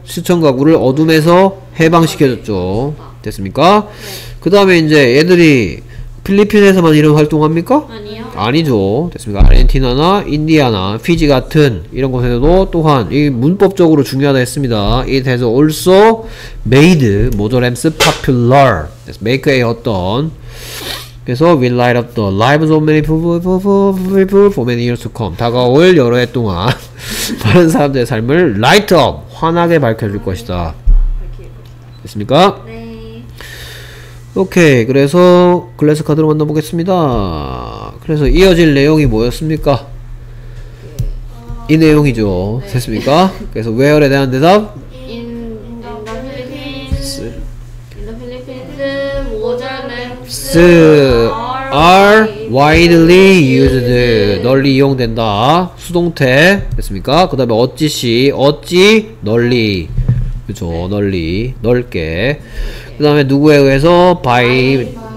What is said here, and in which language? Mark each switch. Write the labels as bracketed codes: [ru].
[ko] 수천 가구를 어둠에서 해방시켜줬죠. 됐습니까? 그 다음에 이제 얘들이 필리핀에서만 이런 활동합니까? 아니요. 아니죠. 됐습니까? 아르헨티나나 인디아나 피지 같은 이런 곳에서도 또한 이 문법적으로 중요하다 했습니다. [en] It has also made 모더램스 popular. Make a [ko] 어떤 그래서 [en] will light up the lives of many people for many years to come. [ko] 다가올 여러 해 동안 많은 사람들의 삶을 light up 환하게 밝혀줄 것이다. 됐습니까? 네. 오케이 그래서 글래스 카드로 만나보겠습니다. 그래서 이어질 내용이 뭐였습니까? 이 내용이죠. 네. 됐습니까? 그래서 where에 대한 대답? [en] In the Philippines, water lamps are widely used. [ko] 널리 이용된다. 수동태 됐습니까? 그 다음에 어찌시 어찌 널리 그쵸 네. 널리 넓게 그 다음에 누구에 의해서 by